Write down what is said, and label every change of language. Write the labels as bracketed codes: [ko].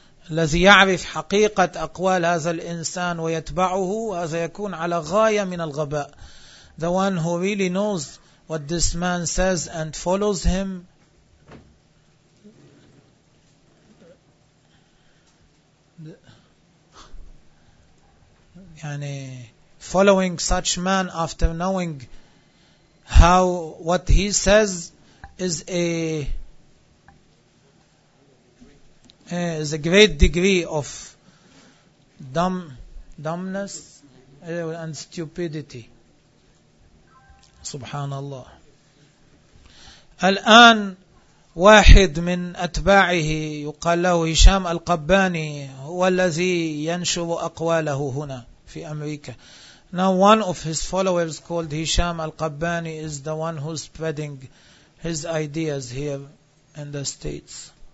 [ar] الذي يعرف حقيقة أقوال هذا الإنسان ويتبعه هذا يكون على غاية من الغباء. [en] The one who really knows what this man says and follows him, يعني following such man after knowing how what he says is a great degree of dumbness and stupidity. [ar] سبحان الله. الآن واحد من أتباعه يقال له هشام القباني هو الذي ينشر أقواله هنا في أمريكا. [en] Now one of his followers called Hisham al-Qabbani is the one who's spreading his ideas here in the States.